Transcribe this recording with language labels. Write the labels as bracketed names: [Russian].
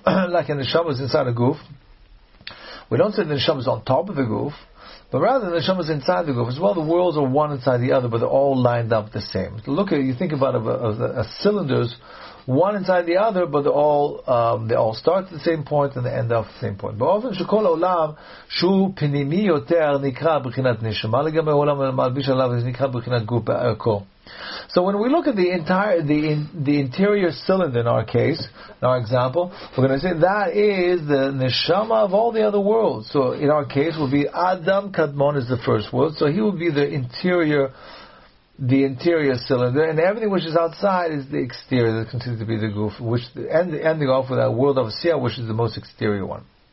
[English] Like in the Shavit is inside a goof. We don't say the Shavit is on top of the goof, but rather the Shavit is inside the goof. As well, the worlds are one inside the other, but they're all lined up the same. Look at, you think about a cylinders, one inside the other, but they all start at the same point and they end up at the same point. [Hebrew] באופן שכל עולם שהוא פנימי יותר נקרא בחינת נשמה לגמרי עולם מלביש עליו נקרא בחינת גוף בערכו. [English] So when we look at the interior cylinder in our case, in our example, we're going to say that is the neshama of all the other worlds. So in our case will be Adam Kadmon is the first world, so he will be the interior cylinder, and everything which is outside is the exterior that continues to be the goof, which ending off with that world of Asiya, which is the most exterior one.